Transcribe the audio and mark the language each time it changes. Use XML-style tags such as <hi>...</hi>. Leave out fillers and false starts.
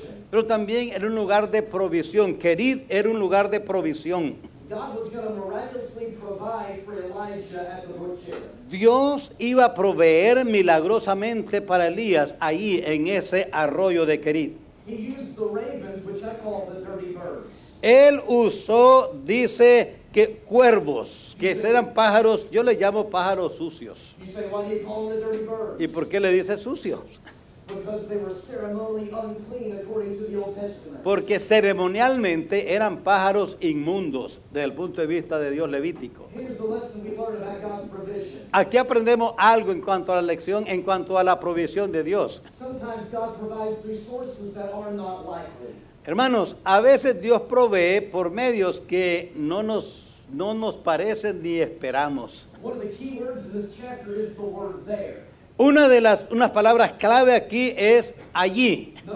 <es>Pero también era un lugar de provisión. Kerit era un lugar de provisión.</es> <en>God was going to miraculously provide for Elijah at the brook Cherith.</en> <es>Dios iba a proveer milagrosamente para Elías ahí en ese arroyo de Querit.</es> <en>He used the ravens, which I call the dirty birds.</en> <es>Él usó, dice, que cuervos, que eran pájaros, yo le llamo pájaros sucios.</es> <en>You say, why do you call them the dirty birds?</en> <es>¿Y por qué le dice sucios?</es> <en>Because they were ceremonially unclean according to the Old Testament.</en> <es>Porque ceremonialmente eran pájaros inmundos desde el punto de vista de Dios Levítico.</es> <en>Here's the lesson we learned about God's provision.</en> <es>Aquí aprendemos algo en cuanto a la lección, en cuanto a la provisión de Dios.</es> <en>Sometimes God provides resources that are not likely.</en> <es>Hermanos, a veces Dios provee por medios que no nos parecen ni esperamos.</es> <en>One of the key words in this chapter is the word there.</en> <es>Una de las unas palabras clave aquí es allí.</es>